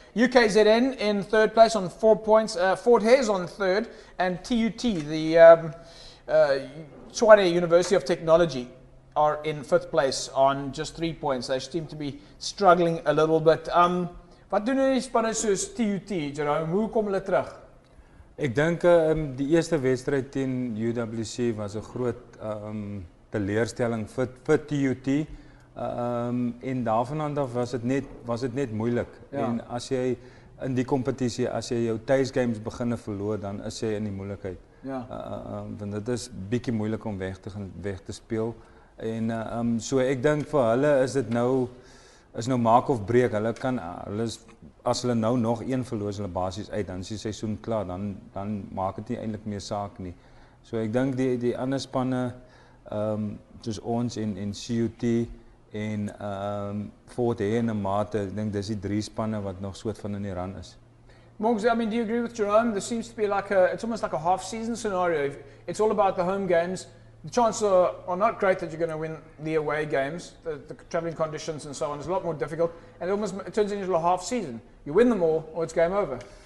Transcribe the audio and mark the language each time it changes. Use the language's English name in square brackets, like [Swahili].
[English] UKZN in third place on 4 points. Fort Hare's on third, and TUT, the Tshwane University of Technology, are in fifth place on just 3 points. They seem to be struggling a little bit. [Afrikaans] Wat doen die spanne soos TUT, Jerome? Hoe kom hulle terug? Ek dink die eerste wedstryd teen UWC was 'n groot teleurstelling vir TUT. En daarvanaf was dit net moeilik. Ja. En as jy in die kompetisie, as jy jou tuisgames beginne verloor, dan is jy in die moeilikheid. Ja. Want dit is bietjie moeilik om weg te speel. En so ek dink vir hulle is dit nou maak of breek. As hulle nou nog een verloor, hulle basies uit, dan is die seisoen klaar, dan maak dit nie eintlik meer saak nie. So ek dink die ander spanne soos ons en CUT en Fort Hare en Mate, ek dink dis die drie spanne wat nog soort van in die run is. [English] Monks, I mean, do you agree with Jerome? There seems to be it's almost like a half season scenario. It's all about the home games. The chances are not great that you're going to win the away games. The travelling conditions and so on is a lot more difficult, and it turns into a half season. You win them all, or it's game over.